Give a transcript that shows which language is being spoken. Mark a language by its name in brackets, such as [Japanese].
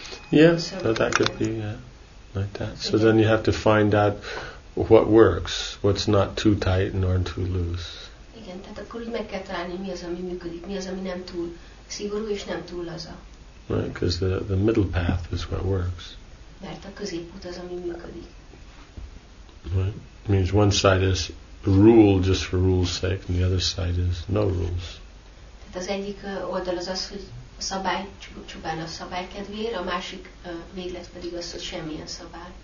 [English] Yes, yeah, so that could be like that. So then you have to find out what works, what's not too tight nor too loose. [Hungarian] Igen, tehát akkor úgy meg kell találni, mi az, ami működik, mi az, ami nem túl szigorú és nem túl laza. [English] Right, because the middle path is what works. [Hungarian] Mert a középút az, ami működik. [English] Right. Means one side is rule just for rule's sake, and the other side is no rules. [Hungarian] Tehát az egyik oldal az az, hogy szabály, csupán a szabály kedvéért, a másik véglet pedig az, hogy semmilyen szabály.